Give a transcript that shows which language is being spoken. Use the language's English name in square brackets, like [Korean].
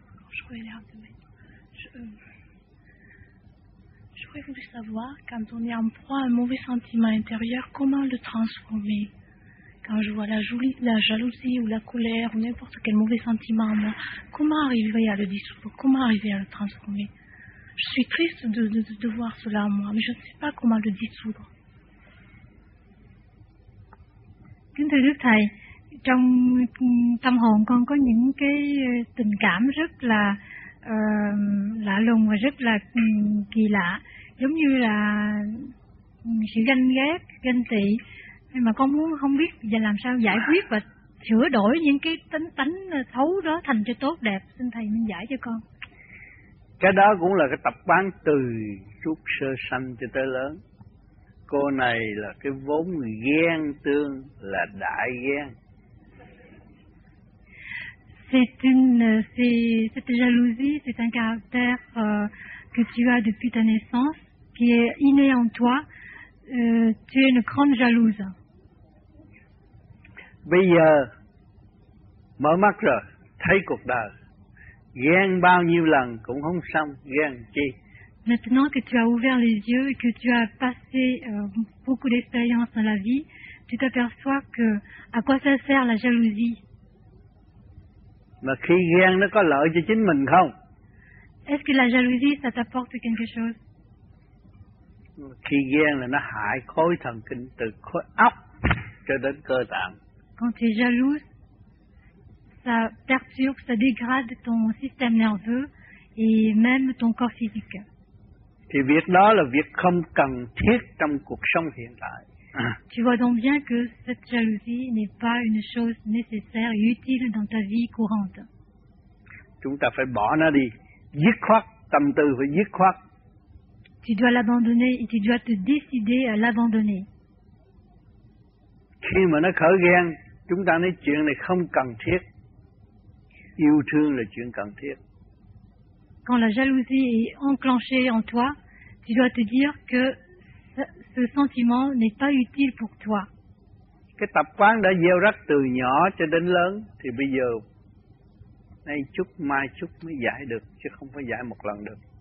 [French] Je voulais dire un peu, mais je voulais savoir, quand on est en proie à un mauvais sentiment intérieur, comment le transformer? Quand je vois la jalousie ou la colère ou n'importe quel mauvais sentiment en moi, comment arriver à le dissoudre? Comment arriver à le transformer? Je suis triste de voir cela en moi, mais je ne sais pas comment le dissoudre. [Vietnamese] Kính thưa Đức Thầy, trong tâm hồn con có những cái tình cảm rất là lạ lùng và rất là kỳ lạ, giống như là sự ganh ghét, ganh tị. Nhưng mà con muốn không biết và làm sao giải quyết và sửa đổi những cái tánh xấu đó thành cho tốt đẹp. Xin thầy minh giải cho con. Cái đó cũng là cái tập quán từ chút sơ sanh cho tới lớn. Cô này là cái vốn ghen tương, là đại ghen. [French] Cette jalousie, c'est un caractère que tu as depuis ta naissance, qui est inné en toi. Tu es une grande jalouse. [Vietnamese] Bây giờ mở mắt rồi, thấy cuộc đời ghen bao nhiêu lần cũng không xong, ghen chi. [French] Maintenant que tu as ouvert les yeux et que tu as passé beaucoup d'expériences dans la vie, tu t'aperçois que à quoi ça sert la jalousie? [Vietnamese] Mà khi ghen nó có lợi cho chính mình không? [French] Est-ce que la jalousie ça t'apporte quelque chose? [Vietnamese] Khi ghen là nó hại khối thần kinh từ khối óc cho đến cơ tạng. [French] Quand tu es jalouse, ça perturbe, ça dégrade ton système nerveux et même ton corps physique. [Vietnamese] Thì việc đó là việc không cần thiết trong cuộc sống hiện tại. [French] Tu vois donc bien que cette jalousie n'est pas une chose nécessaire et utile dans ta vie courante. [Vietnamese] Chúng ta phải bỏ nó đi, dứt khoát, tâm tư phải dứt khoát. [French] Tu dois l'abandonner et tu dois te décider à l'abandonner. [Vietnamese] Khi mà nó khởi ghen, chúng ta nói chuyện này không cần thiết. Yêu thương là chuyện cần thiết. [French] Quand la jalousie est enclenchée en toi, tu dois te dire que ce sentiment n'est pas utile pour toi. [Vietnamese] Cái tập quán đã gieo rắc từ nhỏ cho đến lớn, thì bây giờ nay chút mai chút mới giải được, chứ không phải giải một lần được.